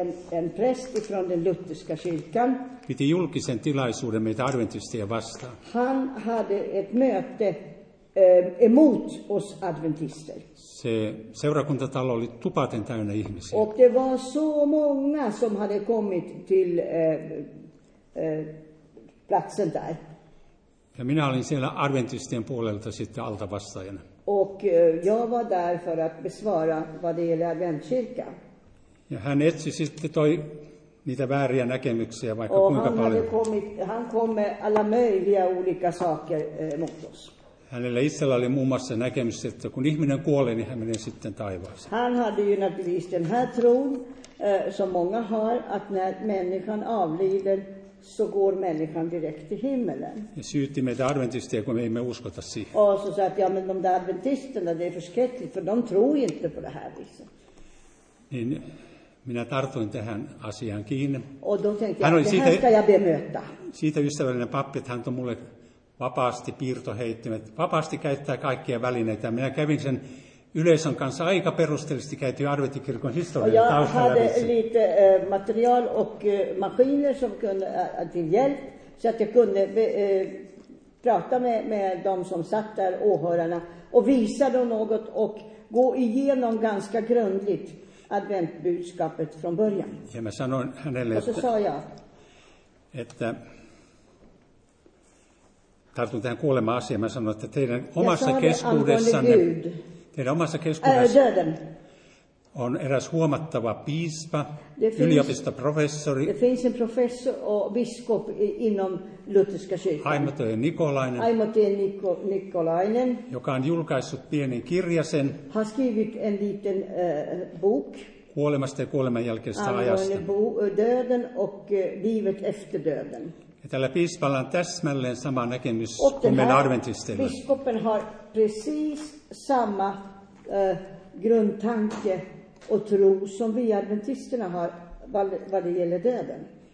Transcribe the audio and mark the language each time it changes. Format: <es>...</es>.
<sv>en presti från den lutherska kyrkan</sv> <fi>piti julkisen tilaisuuden meitä adventisteja vastaan.</fi> <sv>Han hade ett möte emot oss adventister.</sv> <fi>Se seurakuntatalo oli tupaten täynnä ihmisiä.</fi> <sv>Och det var så många som hade kommit till platsen där.</sv> <fi>Ja minä olin siellä adventistien puolelta sitten altavastajana.</fi> <sv>Och jag var där för att besvara vad det gäller adventkyrkan.</sv> <fi>Ja hän etsi sitten toi niitä vääriä näkemyksiä vaikka och kuinka</fi> <sv>han</sv> <fi>paljon.</fi> <sv>Hade kommit, han kom med alla möjliga olika saker mot oss.</sv> <fi>Hänellä itsellä oli muun muassa näkemys, että kun ihminen kuolee, niin hän menee sitten taivaaseen.</fi> <sv>Hän hade ju naturligtvis den här tron, som många har, att när människan avlider, så går människan direkt till himmelen.</sv> <fi>Ja syytti meitä adventisteja, kun me emme uskota siihen.</fi> <sv>Och så sa att, ja men de där adventisterna, det är förskräckligt, för de tror ju inte på det här viset.</sv> <fi>Niin minä tartuin tähän asiaan kiinni.</fi> <sv>Och då tänkte jag, det här ska jag bemöta.</sv> <fi>Siitä ystävällinen pappi, että hän toi mulle vapaasti piirtoheittimet, vapaasti käyttää kaikkia välineitä. Minä kävin sen yleisön kanssa aika perusteellisesti käyty adventikirkon historian taustalla.</fi> <sv>Jag hade lite material och maskiner som kunde till hjälp så att jag kunde prata med de som satt där, åhörarna, och visa dem något och gå igenom ganska grundligt adventbudskapet från början.</sv> <fi>Ja mä sanoin hänelle,</fi> <sv>och så sa jag,</sv> <fi>että tartun tähän kuolema-asiaan. Mä sanoin, että teidän omassa keskuudessanne, on eräs huomattava piispa, yliopistoprofessori.</fi> <sv>Det finns en professor och biskop inom lutherska kyrkan.</sv> <fi>Aimo T. Nikolainen, joka on julkaissut pienen kirjasen.</fi> <sv>Har skrivit en liten bok.</sv> <fi>Kuolemasta ja kuoleman jälkeisestä ajasta.</fi> <sv>Döden och livet efter döden.</sv> <fi>Ja tällä piispalla on täsmälleen sama näkemys kuin meidän adventisteilla.</fi> <sv>Biskopen har precis samma grundtanke och tro som vi adventisterna har vad det gäller döden.</sv>